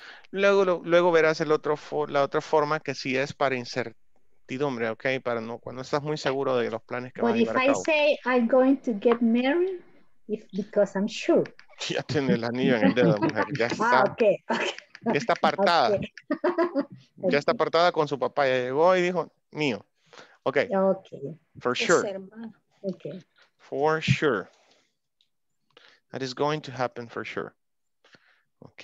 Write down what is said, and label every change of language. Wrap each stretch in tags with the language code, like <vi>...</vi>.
<es>Luego verás el otro la otra forma que sí es para incertidumbre. ¿Ok? Para no, cuando estás muy seguro de los planes que vas a llevar a cabo.</es> <en>If I say I'm going to get married, because I'm sure.</en> <es>Ya tiene el anillo en el dedo, mujer. Ya está. Ah, okay. Ya está apartada. Okay. Ya está apartada con su papá. Ya llegó y dijo, mío. Ok. Ok.</es> <en>For sure. Ok. For sure. That is going to happen for sure. Ok.</en>